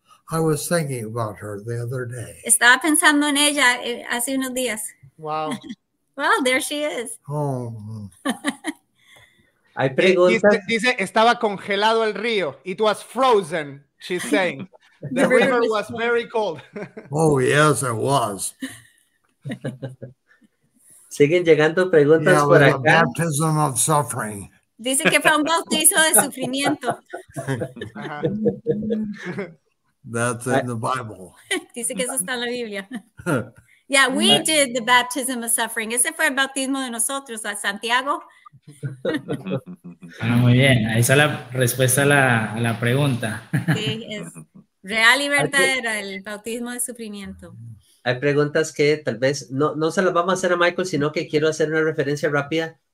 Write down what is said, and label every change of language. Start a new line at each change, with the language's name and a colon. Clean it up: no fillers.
English: I was thinking about her the other day.
Spanish: Estaba pensando en ella hace unos días.
English: Wow. Well, there she is. Oh.
Spanish: I pregunta. Dice, estaba congelado el río.
English: It was frozen, she's saying. The river was very cold. Oh, yes, it was.
Spanish: Siguen llegando preguntas por acá.
English: A baptism of suffering.
Spanish: Dice que fue un bautizo de sufrimiento.
English: That's in the Bible.
Spanish: Dice que eso está en la Biblia.
English: Yeah, we did the baptism of suffering.
Spanish: Ese fue el bautismo de nosotros, a Santiago. Bueno, muy bien. Ahí está la respuesta a la pregunta. Sí, es... Real y verdadera, el bautismo de sufrimiento. Hay preguntas que tal vez no se las vamos a hacer a Michael, sino que quiero hacer una referencia rápida.